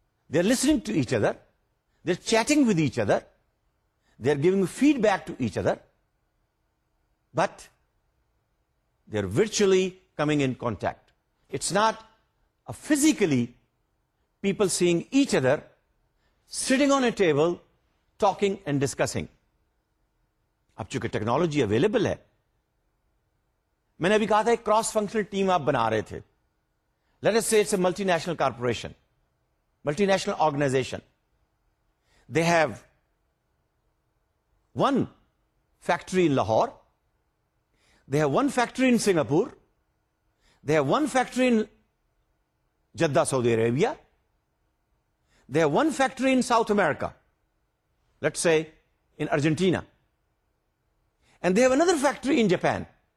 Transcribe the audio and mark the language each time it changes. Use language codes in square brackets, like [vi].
[en] They're listening to each other. They're chatting with each other. They're giving feedback to each other. But they're virtually coming in contact. It's not a physically people seeing each other, sitting on a table, talking and discussing. [ur] اب چونکہ technology available ہے, میں نے ابھی کہا تھا ایک cross functional team آپ بنا رہے تھے. [en] Let us say it's a multinational corporation, multinational organization. They have one factory in Lahore, they have one factory in Singapore, they have one factory in Jeddah, Saudi Arabia, they have one factory in South America, let's say in Argentina, and they have another factory in Japan.